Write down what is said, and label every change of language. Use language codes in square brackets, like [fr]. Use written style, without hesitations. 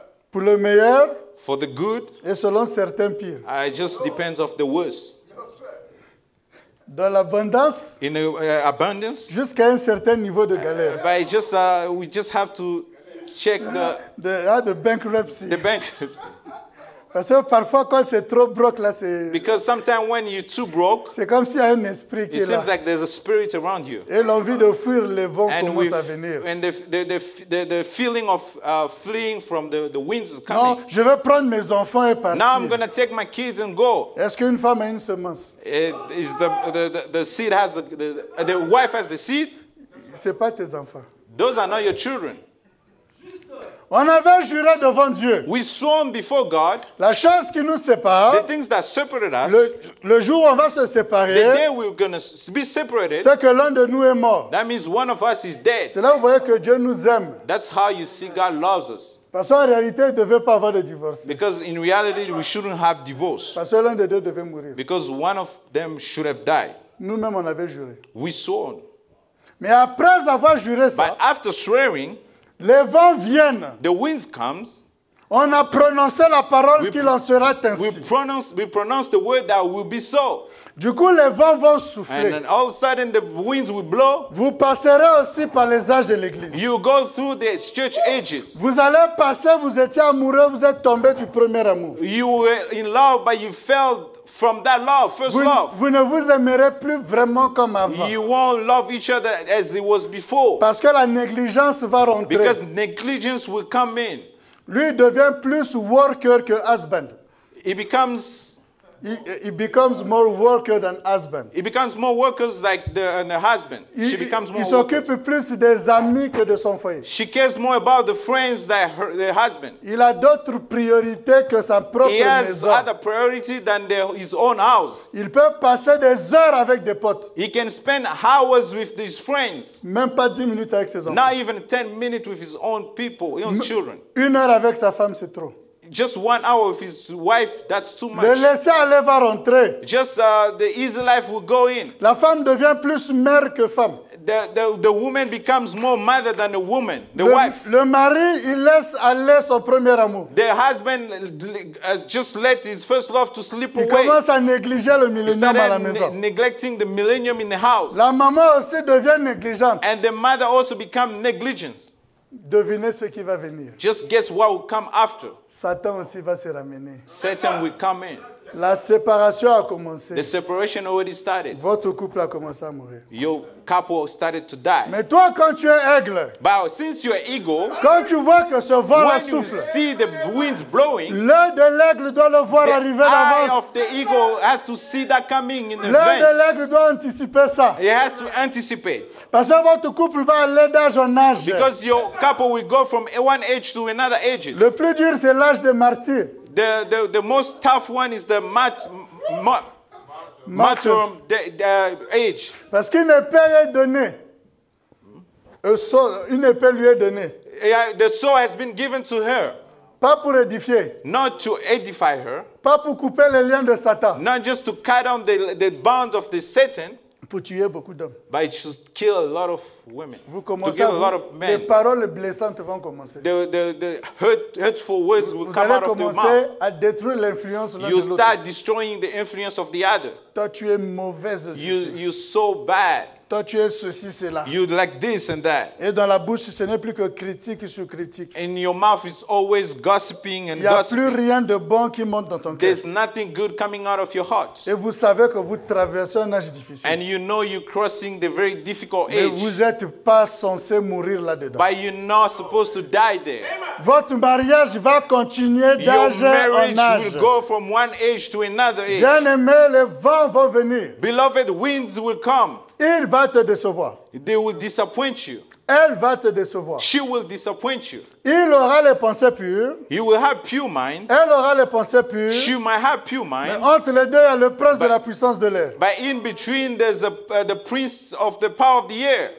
[fr] Pour le meilleur. [en] For the good. [fr] Et selon certains pires. [en] It just depends of the worst. [fr] Dans l'abondance. [en] In abundance. [fr] Jusqu'à un certain niveau de galère. [en] But it just we just have to check the bankruptcy. The bankruptcy. [fr] Parce que parfois quand c'est trop broke là, c'est. [en] Because sometimes when you're too broke. [fr] C'est comme s'il y a un esprit qui est là. [en] It seems like there's a spirit around you. [fr] Et l'envie de fuir les vents commence à venir. [en] And the feeling of fleeing from the winds coming. [fr] Non, je vais prendre mes enfants et partir. [en] Now I'm gonna take my kids and go. [fr] Est-ce qu'une femme a une semence? [en] The seed has the wife has the seed. [fr] C'est pas tes enfants. [en] Those are not your children. [fr] On avait juré devant Dieu. [en] We sworn before God. [fr] La chose qui nous sépare. [en] The things that separate us. [fr] Le jour où on va se séparer. [en] The day we're gonna be separated. [fr] C'est que l'un de nous est mort. [en] That means one of us is dead. [fr] C'est là où vous voyez que Dieu nous aime. [en] That's how you see God loves us. [fr] Parce qu'en réalité, il ne devait pas avoir de divorce. [en] Because in reality, we shouldn't have divorce. [fr] Parce que l'un des deux devait mourir. [en] Because one of them should have died. [fr] Nous-mêmes, on avait juré. [en] We sworn. [fr] Mais après avoir juré ça. [en] But after swearing. [fr] Les vents viennent. [en] The winds comes. [fr] On a prononcé la parole qu'il en sera ainsi. [en] We pronounce the word that will be so. [fr] Du coup, les vents vont souffler. [en] And all of a sudden, the winds will blow. [fr] Vous passerez aussi par les âges de l'église. [en] You go through the church ages. [fr] Vous allez passer. Vous étiez amoureux. Vous êtes tombé du premier amour. [en] You were in love, but you fell from that love, first [fr] vous, [en] love. [fr] Vous ne vous aimerez plus vraiment comme avant. [en] You won't love each other as it was before. [fr] Parce que la négligence va rentrer. [en] Because negligence will come in. [fr] Lui devient plus worker que husband. [en] He becomes more worker than husband. He becomes more workers like the husband. She becomes more. [fr] Il s'occupe [en] workers. [fr] Plus des amis que de son foyer. [en] She cares more about the friends than the husband. [fr] Il a d'autres priorités que sa propre maison. [en] He has other priority than his own house. [fr] Il peut passer des heures avec des potes. [en] He can spend hours with his friends. [fr] Même pas 10 minutes avec ses enfants. [en] Not even 10 minutes with his own people, his own children. [fr] Une heure avec sa femme, c'est trop. [en] Just 1 hour with his wife, that's too much. [fr] Le laisser aller va rentrer. [en] Just the easy life will go in. [fr] La femme devient plus mère que femme. [en] The woman becomes more mother than the woman, wife. [fr] Le mari, il laisse aller son premier amour. [en] The husband just let his first love to slip away. [fr] Il commence à négliger le millennium à la maison. [en] Neglecting the millennium in the house. [fr] La maman aussi devient négligente. [en] And the mother also becomes negligent. [fr] Devinez ce qui va venir. [en] Just guess what will come after. [fr] Satan aussi va se ramener. [en] Satan will come in. [fr] La séparation a commencé. [en] The separation already started. [fr] Votre couple a commencé à mourir. [en] Your couple started to die. [fr] Mais toi, quand tu es aigle, [en] but since you are eagle, [fr] quand tu vois que ce vent la souffle, [en] when you see the winds blowing, [fr] l'œil de l'aigle doit le voir arriver d'avance. [en] The eye of the eagle has to see that coming in advance. [fr] L'œil de l'aigle doit anticiper ça. [en] He has to anticipate. [fr] Parce que votre couple va aller d'âge en âge. [en] Because your couple will go from one age to another ages. [fr] Le plus dur, c'est l'âge des martyrs. [en] The most tough one is the martyrdom the age. [fr] Parce qu'une épée lui est donnée. Une épée lui est donnée. [en] Yeah, the sword has been given to her. [fr] Pas pour édifier. [en] Not to edify her. [fr] Pas pour couper les liens de Satan. [en] Not just to cut down the bond of the Satan. [fr] Pour tuer beaucoup d'hommes. [en] But it should kill a lot of women. [fr] Vous commencez [en] to kill a lot of men. [fr] Les paroles blessantes vont commencer. [en] The hurtful words [fr] vous, [en] will [fr] vous [en] come [fr] allez [en] out [fr] commencer [en] of their mouth. [fr] À détruire l'influence l'un [en] you [fr] de l'autre. [en] Start destroying the influence of the other. [fr] Toi, tu es mauvaise aussi. [en] You so bad. [fr] Toi, tu es ceci, cela. [en] You like this and that. [fr] Et dans la bouche, ce n'est plus que critique sur critique. [en] In your mouth, it's always gossiping and [fr] il y a [en] gossiping. [fr] Plus rien de bon qui monte dans ton cœur. [en] There's nothing good coming out of your heart. [fr] Et vous savez que vous traversez un âge difficile. [en] And you know you're crossing the very difficult [fr] mais [en] age. [fr] Vous n'êtes pas censé mourir là-dedans. [en] But you're not supposed to die there. [fr] Votre mariage va continuer d'âge en âge. [en] Your marriage will go from one age to another age. [fr] Bien-aimé, les vents vont venir. [en] Beloved, winds will come. [fr] Il va te décevoir. [en] They will disappoint you. [fr] Elle va te décevoir. [en] She will disappoint you. [fr] Il aura les pensées pures. [en] He will have pure mind. [fr] Elle aura les pensées pures. [en] She might have pure mind. [fr] Mais entre les deux, il y a le prince de la puissance de l'air. [en] But in between, there's a, the prince of the power of the air.